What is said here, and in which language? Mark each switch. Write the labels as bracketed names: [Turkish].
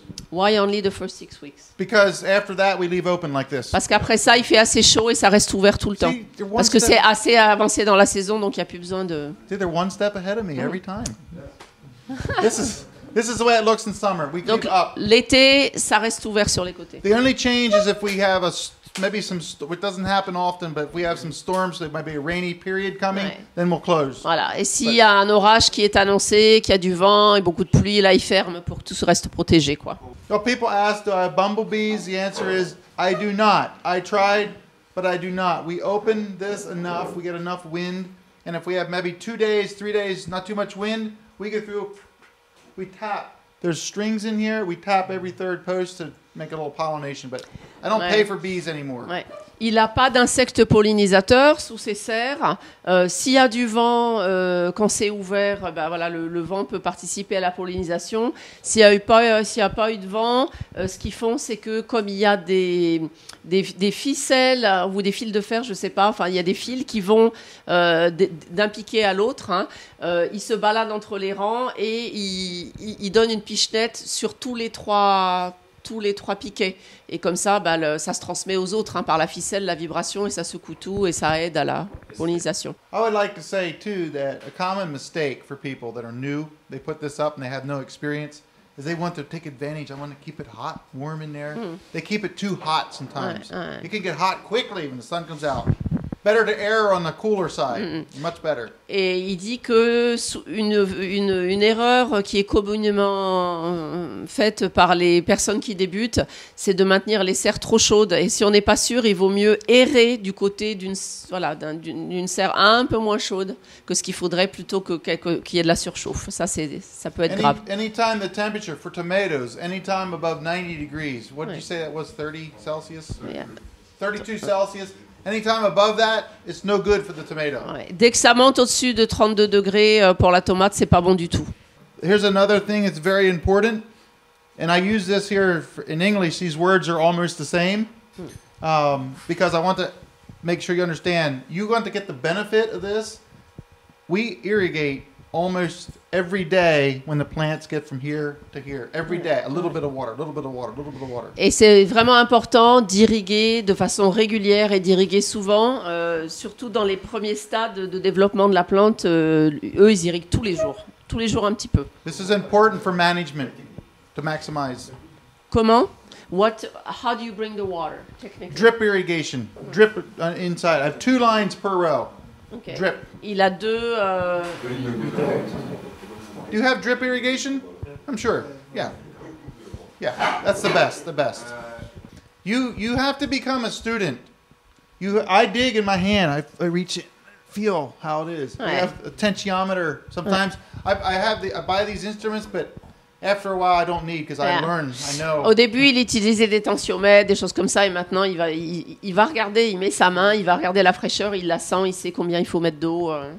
[English] Why only the first 6 weeks? Because after that we leave open like this. [French] Parce qu'après ça, il fait assez chaud et ça reste ouvert tout le temps. Parce que c'est assez avancé dans la saison, donc il y a plus besoin de. [English] See, they're one step ahead of me every time. This is the way it looks in summer. We [French] donc, [English] keep up. [French] L'été, ça reste ouvert sur les côtés. [English] The only change is if we have it doesn't happen often, but if we have some storms, there might be a rainy period coming, then we'll close. [French] Voilà. Et s'il y a un orage qui est annoncé, qu'il y a du vent et beaucoup de pluie, là, ils ferment pour que tout se reste protégé, quoi. [English] So people ask, do I have bumblebees? The answer is, I do not. I tried, but I do not. We open this enough, we get enough wind, and if we have maybe 2 days, 3 days, not too much wind, we get through, we tap. There's strings in here, we tap every third post to make a little pollination, but I don't pay for bees anymore. [French] Ouais. Il n'a pas d'insectes pollinisateurs sous ses serres. S'il y a du vent, quand c'est ouvert, le vent peut participer à la pollinisation. S'il n'y a pas eu de vent, ce qu'ils font, c'est que comme il y a des ficelles ou des fils de fer, je ne sais pas, enfin, il y a des fils qui vont d'un piqué à l'autre, ils se baladent entre les rangs et ils donnent une pichenette sur tous les trois piquets. Et comme ça, ça se transmet aux autres par la ficelle, la vibration, et ça secoue tout et ça aide à la pollinisation. [English] I would like to say too that a common mistake for people that are new, they put this up and they have no experience, is they want to take advantage. I want to keep it hot, warm in there. They keep it too hot sometimes. It can get hot quickly when the sun comes out. Better to err on the cooler side. Much better. [French] Et il dit que une erreur qui est communément faite par les personnes qui débutent, c'est de maintenir les serres trop chaudes. Et si on n'est pas sûr, il vaut mieux errer du côté d'une serre un peu moins chaude que ce qu'il faudrait plutôt qu'il y ait de la surchauffe. Ça peut être grave. [English] Anytime the temperature for tomatoes, anytime above 90 degrees, what did you say that was, 30 Celsius? Yeah. 32 Celsius. Anytime above that, it's no good for the tomato. [French] Ouais. Dès que ça monte au-dessus de 32 degrés pour la tomate, c'est pas bon du tout. [English] Here's another thing that's very important, and I use this here in English. These words are almost the same, because I want to make sure you understand. You want to get the benefit of this. We irrigate almost every day when the plants get from here to here. Every day, a little bit of water, a little bit of water, a little bit of water. [French] Et c'est vraiment important d'irriguer de façon régulière et d'irriguer souvent, surtout dans les premiers stades de développement de la plante. Eux, ils irriguent tous les jours. Tous les jours, un petit peu. [English] This is important for management, to maximize. [French] Comment? [English] What? How do you bring the water, technically? Drip irrigation. Drip inside. I have 2 lines per row. Okay. Drip. [French] Il a deux. [English] Do you have drip irrigation? I'm sure. Yeah. Yeah. That's the best. The best. You have to become a student. I dig in my hand. I reach it. Feel how it is. [French] Ouais. [English] I have a tensiometer sometimes. [French] Ouais. [English] I buy these instruments, but after a while, I don't need because I learn. I know. [French] Au début, il utilisait des tensiomètres, des choses comme ça, et maintenant, il va regarder. Il met sa main, il va regarder la fraîcheur, il la sent, il sait combien il faut mettre d'eau.